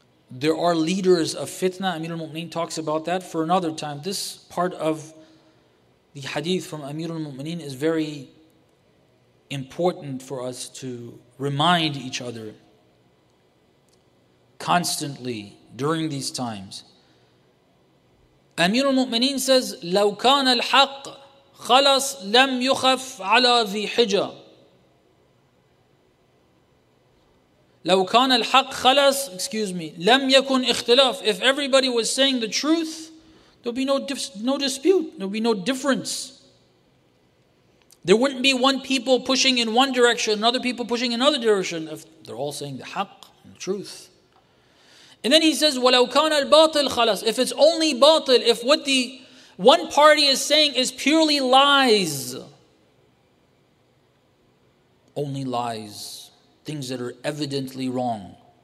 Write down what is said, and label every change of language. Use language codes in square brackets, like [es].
[en] There are leaders of fitna. Amir al-Mu'mineen talks about that for another time. This part of the hadith from Amir al-Mu'mineen is very important for us to remind each other constantly during these times. Amir al-Mu'mineen says, [ar] لَوْ كَانَ الْحَقِّ خَلَصْ لَمْ يُخَفْ عَلَى ذِي حِجَةِ لَوْ كَانَ الْحَقِّ خَلَصْ, [en] excuse me, [ar] لَمْ يَكُنْ اِخْتِلَافِ. [en] If everybody was saying the truth, there'll be no dispute, there'll be no difference. There wouldn't be one people pushing in one direction, another people pushing in another direction, if they're all saying the haqq, the truth. And then he says, [ar] وَلَوْ كَانَ الْبَاطِلْ خَلَصْ. [en] If it's only batil, if what the one party is saying is purely lies, only lies, things that are evidently wrong,